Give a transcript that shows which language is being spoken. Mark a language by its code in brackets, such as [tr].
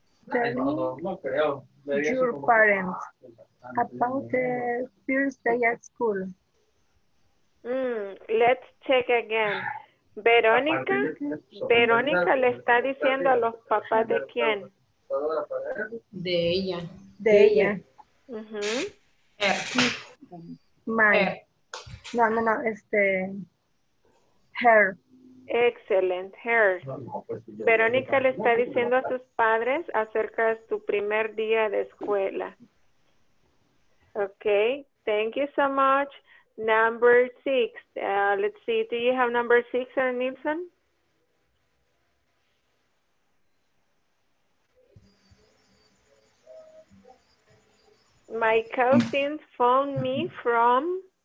[en] Telling your parents about the first day at school. Let's check again. [es] Verónica, Verónica le está diciendo a los papás de quién. De ella. De ella. [en] Her. No, no, no, her. Excellent, her. [es] Verónica le está diciendo a sus padres acerca de su primer día de escuela. [en] Okay, thank you so much. Number six, let's see, do you have number six, Nielsen? My cousin phoned me from